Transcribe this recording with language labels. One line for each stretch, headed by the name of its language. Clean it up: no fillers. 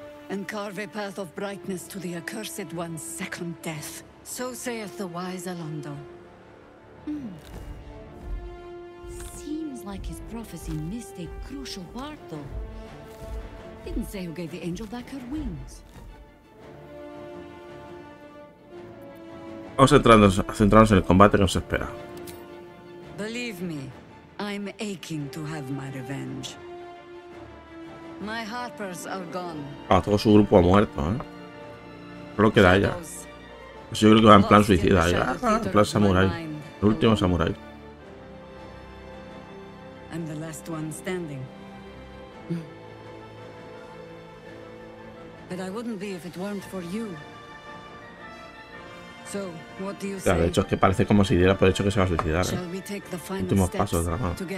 English: And carve a path of brightness to the accursed one's second death. So saith the wise Alondo. Seems like his prophecy missed a crucial part, though. Didn't say who gave the angel back her wings.
Spanish: Vamos a centrarnos en el combate que nos espera.
English: Believe me, I'm aching to have my revenge. My harpers are gone.
Spanish: Ah, todo su grupo ha muerto, ¿eh? Solo queda ella. Pues yo creo que va en plan suicida, ella. En plan samurai. El último samurai.
English: I'm the last one standing. But I wouldn't be if it weren't for you. So, what do you say?
Spanish: Claro, de hecho es que parece como si diera por hecho que se va a suicidar, ¿eh? Últimos pasos de la mano.